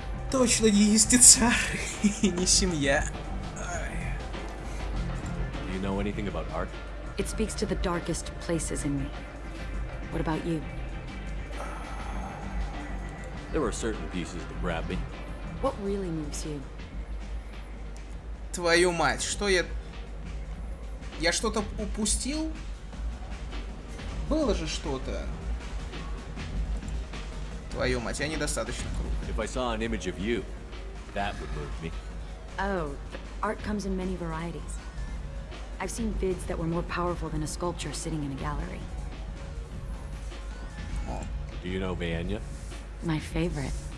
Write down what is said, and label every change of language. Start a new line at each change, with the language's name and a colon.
Russian: Точно не истицар и не семья.
English: Do you know anything about art? It speaks to the darkest places in me. What about you? There were certain pieces that grabbed me. What really moves you?
Russian: Твою мать, что я что-то упустил? Было же что-то. Твою мать, я недостаточно крут.
English: If I saw an image of you, that would move me. Oh, art comes in many varieties. I've seen vids that were more powerful than a sculpture sitting in a gallery. Do you know Vanya? My favorite.